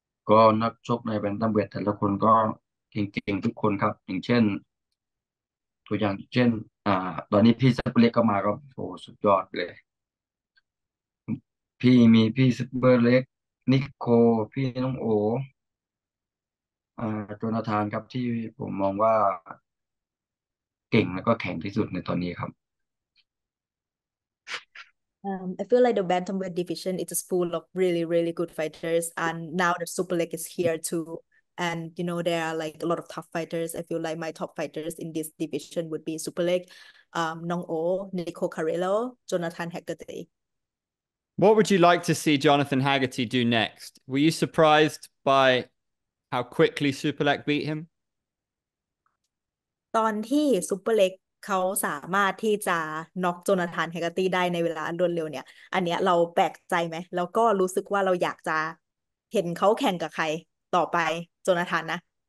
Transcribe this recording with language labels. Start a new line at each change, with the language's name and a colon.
Thai: ก็นักชกในแบนตัมเวทแต่ละคนก็เก่งๆทุกคนครับอย่างเช่นตัวอย่างเช่นตอนนี้พี่สปเปอร์เล็กก็มาก็โอ้สุดยอดเลยพี่มีพี่สปเปอร์เล็กนิโคพี่น้องโอโจนาธานครับที่ผมมองว่าเก่งแล้วก็แข็งที่สุดในตอนนี้ครับ
English: I feel like the bantamweight division is just full of really, really good fighters, and now the super leg is here too. And there are like a lot of tough fighters. I feel like my top fighters in this division would be super leg, Nong O, Nico Carrillo, Jonathan Hegarty. What would you like to see Jonathan Haggerty do next? Were you surprised by how quickly Superlek beat him?
Thai: ตอนที่ซูเปอร์เล็กเขาสามารถที่จะน็อกโจนาธานเฮกตี้ได้ในเวลาอันรวดเร็วเนี่ยอันเนี้ยเราแปลกใจไหมแล้วก็รู้สึกว่าเราอยากจะเห็นเขาแข่งกับใครต่อไปโจนาธานนะ